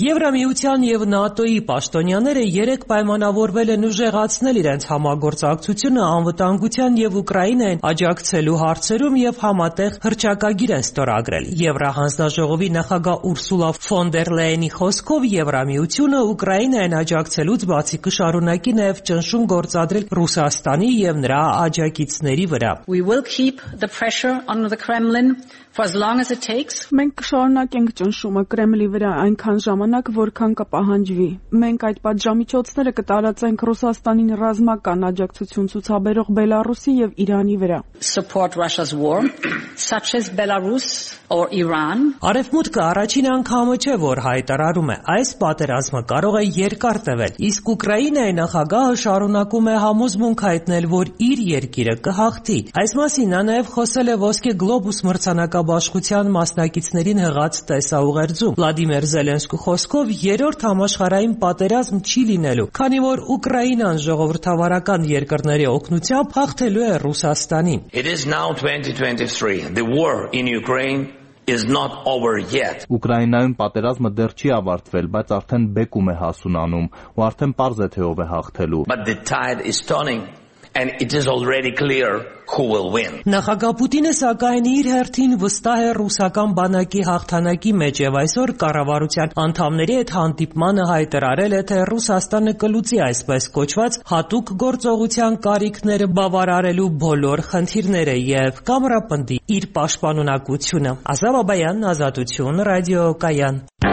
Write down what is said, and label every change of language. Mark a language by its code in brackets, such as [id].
[hy] Եվրամիության և ՆԱՏՕ-ի պաշտոնյաները երեք պայմանավորվել են ուժեղացնել իրենց համագործակցությունը անվտանգության և Ուկրաինային աջակցելու հարցերում և համատեղ հռչակագիր են ստորագրել։ Եվրահանձնաժողովի նախագահ Ուրսուլա ֆոն դեր Լեյենի խոսքով Եվրամիությունը Ուկրաինային աջակցելուց բացի կշարունակի նաև ճնշում գործադրել Ռուսաստանի և նրա աջակիցների վրա։ [en] We will keep the pressure on the Kremlin for as long as it takes. [hy] Մենք կշարունակենք ճնշումը Կրեմլին Կրեմլի վրա այնքան ժամանակ, որքան կպահանջվի։ Մենք այդ պատժամիջոցները կտարածենք Ռուսաստանին ռազմական աջակցություն ցուցաբերող Բելարուսի եւ Իրանի վրա։ [en] Support Russia's war such as Belarus or Iran. [hy] Արևմուտքը առաջին անգամը չէ, որ հայտարարում է, այս պատերազմը կարող է երկար տևել։ Իսկ Ուկրաինայի նախագահը շարունակում է համոզմունք հայտնել, որ իր երկիրը կհաղթի։ Այս մասին նա նաեւ խոսել է Ոսկե գլոբուս մրցանակաբաշխության մասնակիցներին հղած տեսաուղերձում։ Վլադիմիր Զելենսկու խոսքով երրորդ համաշխարհային պատերազմ չի լինելու, քանի որ Ուկրաինան ժողովրդավարական երկրների օգնությամբ հաղթելու է Ռուսաստանին։ [en] It is now 2023. The war in Ukraine is not over yet. [hy] Ուկրաինայում պատերազմը դեռ չի ավարտվել, բայց արդեն բեկում է հասունանում, ու արդեն պարզ է թե ով է հաղթելու։ [en] But the tide is turning. And it is already clear who will win. [hy] Նախագահ Պուտինը, սակայն, իր հերթին վստահ է ռուսական բանակի հաղթանակի մեջ, եւ այսօր կառավարության անդամների այդ հանդիպմանը հայտարարել է, թե Ռուսաստանը կլուծի այսպես կոչված հատուկ գործողության կարիքները բավարարելու բոլոր խնդիրները եւ կամրապնդի իր պաշտպանունակությունը։ Ազավ Աբայան, Ազատություն, Ռադիո Կայան։